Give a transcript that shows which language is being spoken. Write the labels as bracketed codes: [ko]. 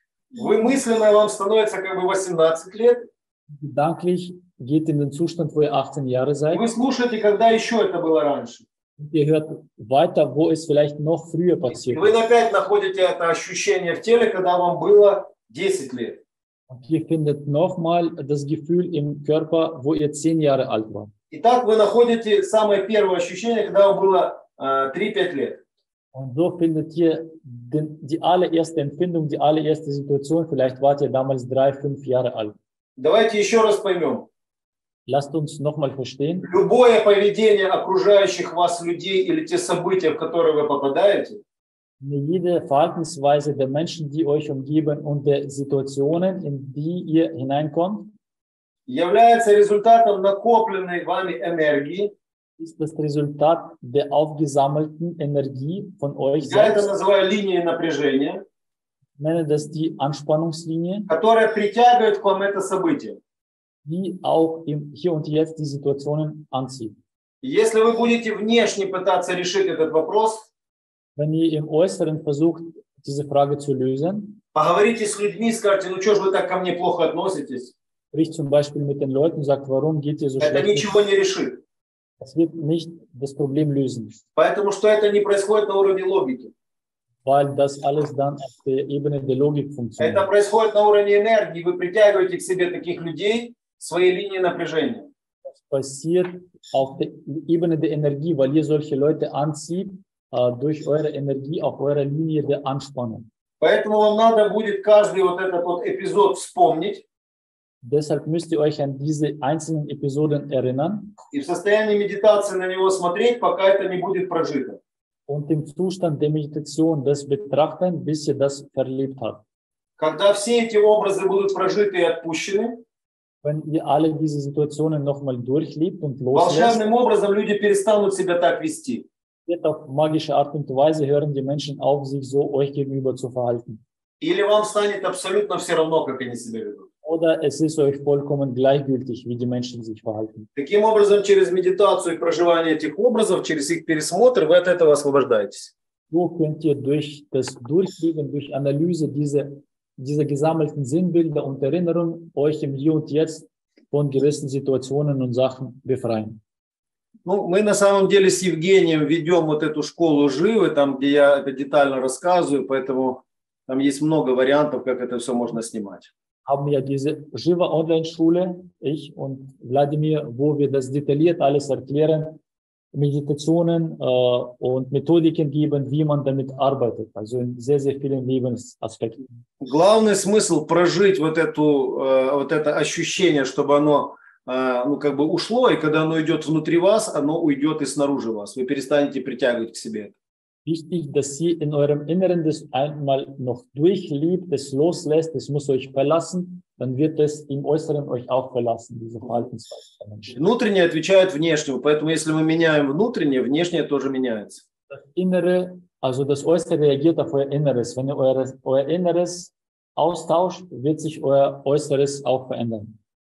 [ru] Вы мысленно вам становится как бы 18 лет. [de] Gedanklich geht in den Zustand, wo ihr 18 Jahre seid. [ru] Вы слушаете, когда еще это было раньше. [de] Ihr hört weiter, wo es vielleicht noch früher passiert. [ru] Вы опять находите это ощущение в теле, когда вам было 10 лет. [de] Und ihr findet nochmal das Gefühl im Körper, wo ihr 10 Jahre alt war. [ru] Итак, вы находите самое первое ощущение, когда вам было 3-5 лет. [de] Und so findet ihr die allererste Empfindung, die allererste Situation, vielleicht wart ihr damals 3-5 Jahre alt. [ru] Давайте еще раз поймем. [de] Lasst uns nochmal verstehen. [ru] Любое поведение окружающих вас людей или те события, в которые вы попадаете, [de] jede Verhaltensweise der Menschen, die euch umgeben und der Situationen, in die ihr hineinkommt, [ru] является результатом накопленной вами энергии, [de] ist das Resultat der aufgesammelten Energie von euch selbst. [ru] Я это называю линией напряжения, [de] nenne das die Anspannungslinie, [ru] которая притягивает к вам это событие, [de] die auch im hier und jetzt die Situationen anzieht. [ru] Если вы будете внешне пытаться решить этот вопрос, [de] wenn ihr im Äußeren versucht, diese Frage zu lösen, [ru] поговорите с людьми, скажите, ну что ж вы так ко мне плохо относитесь, [de] sprich zum Beispiel mit den Leuten, sagt, warum geht ihr so schlecht, [ru] это ничего не решит. [de] Das wird nicht das Problem lösen. [ru] Поэтому что это не происходит на уровне логики. [de] Weil das alles dann auf der Ebene der Logik funktioniert. [ru] Это происходит на уровне энергии. Вы притягиваете к себе таких людей своей линии напряжения. [de] Das passiert auf der Ebene der Energie, weil ihr solche Leute anzieht durch eure Energie auf eurer Linie der Anspannung. [ru] Поэтому вам надо будет каждый вот этот вот эпизод вспомнить. [de] Deshalb müsst ihr euch an diese einzelnen Episoden erinnern. [ru] И в состоянии медитации на него смотреть, пока это не будет прожито. [de] Und im Zustand der Meditation das betrachten, bis ihr das verlebt habt. [ru] Когда все эти образы будут прожиты и отпущены, [de] wenn ihr alle diese Situationen nochmal durchlebt und loslässt, [ru] волшебным образом люди перестанут себя так вести. Это [de] auf magische Art und Weise hören die Menschen auf, sich so euch gegenüber zu verhalten. [ru] Или вам станет абсолютно все равно, как они себя ведут. [de] Oder es ist euch vollkommen gleichgültig, wie die Menschen sich verhalten. [ru] Таким образом, через медитацию и проживание этих образов, через их пересмотр, вы от этого освобождаетесь. [de] So könnt ihr durch das Durchleben, durch Analyse dieser gesammelten Sinnbilder und Erinnerungen euch im Hier und Jetzt von gewissen Situationen und Sachen befreien. [ru] Ну, мы на самом деле с Евгением ведем вот эту школу живы, там, где я это детально рассказываю, поэтому там есть много вариантов, как это все можно снимать. [de] Haben ja diese Jiva Online-Schule, ich und Wladimir, wo wir das detailliert alles erklären, Meditationen und Methodiken geben, wie man damit arbeitet, also in sehr, sehr vielen Lebensaspekten. [ru] Главный смысл прожить вот эту, вот это ощущение, чтобы оно ну, как бы ушло, и когда оно идет внутри вас, оно уйдет и снаружи вас, вы перестанете притягивать к себе. [de] Wichtig, dass ihr in eurem Inneren das einmal noch durchlebt, es loslässt, es muss euch verlassen, dann wird es im Äußeren euch auch verlassen, diese Verhaltensweise. [ru] Внутреннее отвечает внешнему, поэтому если мы меняем внутреннее, внешнее тоже меняется. [de] Das Innere, also das Äußere reagiert auf euer Inneres. Wenn ihr euer Inneres austauscht, wird sich euer Äußeres auch verändern.